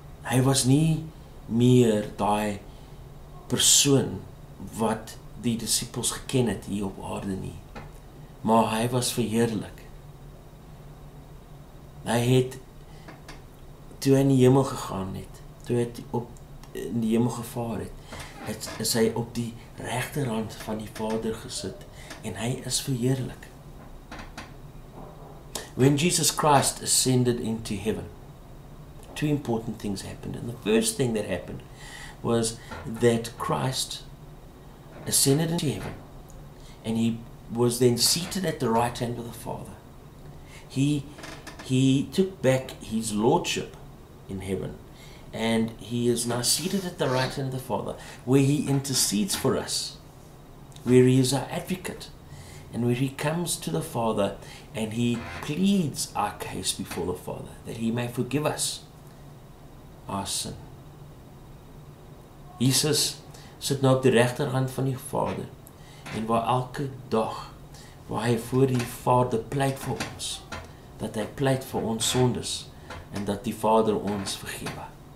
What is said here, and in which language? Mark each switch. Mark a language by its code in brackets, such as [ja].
[af] Hy was nie meer daai persoon wat die disippels geken het hier op aarde nie, maar hy was verheerlik. Hy het toe hy in die hemel gegaan het, toe hy op in die hemel gevaar het, is hy op die regterhand van die Vader gesit en hy is verheerlik. [en] When Jesus Christ ascended into heaven, 2 important things happened. And the first thing that happened was that Christ ascended into heaven, and he was then seated at the right hand of the Father. He took back his lordship in heaven, and he is now seated at the right hand of the Father, where he intercedes for us, where he is our advocate, and where he comes to the Father and he pleads our case before the Father, that he may forgive us our sin. [af] Jesus sit nou op die regterhand van die Vader, en waar elke dag, waar hy voor die Vader pleit vir ons, dat hy pleit vir ons sondes, en dat die Vader ons vergewe.